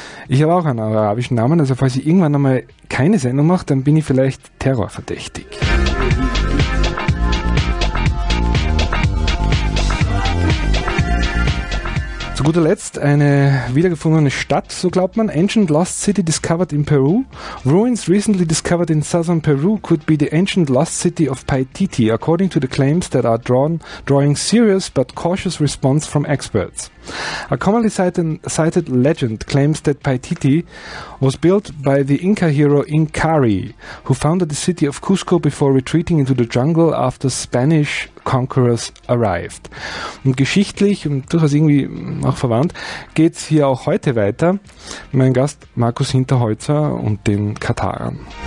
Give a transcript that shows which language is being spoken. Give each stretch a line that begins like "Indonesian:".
German: Ich habe auch einen arabischen Namen, also falls ich irgendwann einmal keine Sendung mache, dann bin ich vielleicht terrorverdächtig. Zu guter Letzt eine wiedergefundene Stadt, so glaubt man.
English: Ancient Lost City discovered in Peru. Ruins recently discovered in southern Peru could be the ancient lost city of Paititi, according to the claims that are drawing serious but cautious response from experts. A commonly cited legend claims that Paititi was built by the Inca hero Incari, who founded the city of Cusco before retreating into the jungle after Spanish conquerors arrived.
German: Und geschichtlich und durchaus irgendwie auch verwandt geht es hier auch heute weiter. Mein Gast Markus Hinterholzer und den Katarern.